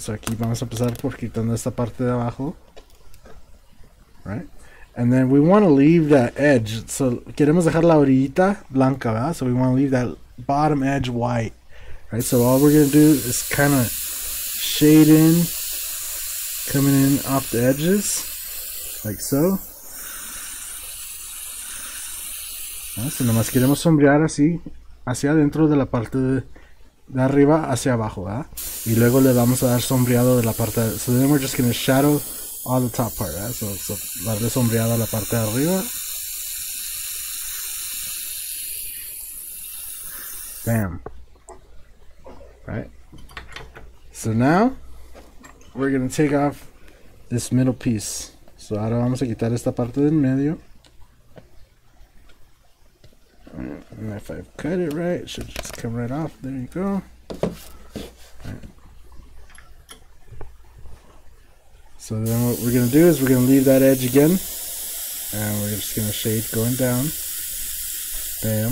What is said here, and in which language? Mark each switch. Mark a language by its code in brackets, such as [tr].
[es] So aquí vamos a empezar por quitando esta parte de abajo, right? [en] And then we want to leave that edge. [es] So queremos dejar la orillita blanca, ¿verdad? [en] So we want to leave that bottom edge white. Right, so all we're going to do is kind of shade in, coming in off the edges, like so. [es] So, nomás queremos sombrear así, hacia adentro de la parte de arriba hacia abajo, ¿verdad? Y luego le vamos a dar sombreado de la parte de, [en] so then we're just going to shadow all the top part, [es] ¿verdad? So darle sombreado a la parte de arriba. [en] Bam. Right, so now we're gonna take off this middle piece. [es] So ahora vamos a quitar esta parte del medio. [en] And if I cut it right, it should just come right off. There you go. Right. So then what we're gonna do is we're gonna leave that edge again, and we're just gonna shade going down. Bam.